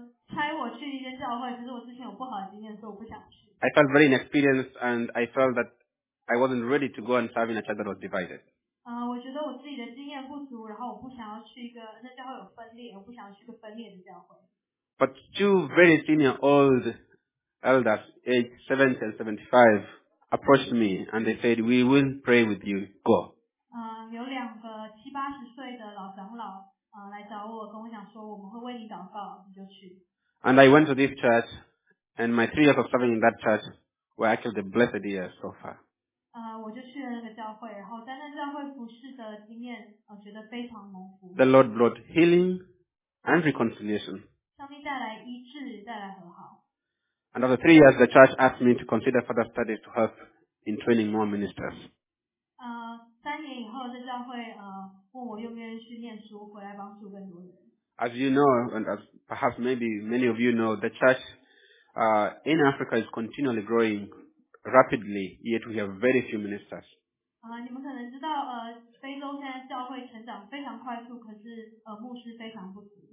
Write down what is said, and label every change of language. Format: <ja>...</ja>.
<en>I felt very inexperienced, and I felt that I wasn't ready to go and serve in a church that was divided.</en> <zh>我觉得我自己的经验不足，然后我不想要去一个那教会有分裂，我不想要去一个分裂的教会。</zh> <en>But two very senior old elders, aged 70 and 75, approached me and they said, "We will pray with you. Go."</en> <zh>有两个七八十岁的老长老来找我，跟我讲说我们会为你祷告，你就去。</zh> <en>And I went to this church, and my 3 years of serving in that church were actually the blessed years so far.</en> <zh>我就去了那个教会，然后在那教会服事的经验，我觉得非常蒙福。</zh> <en>The Lord brought healing and reconciliation.</en> <zh>上帝带来医治，带来和好。</zh> <en>And after 3 years, the church asked me to consider further studies to help in training more ministers.</en> <zh>三年以后，这教会问我愿不愿意去念书，回来帮助更多人。</zh> <en>As you know, and as perhaps maybe many of you know, the church in Africa is continually growing rapidly, yet we have very few ministers.</en> <zh>你们可能知道非洲现在教会成长非常快速，可是牧师非常不足。</zh>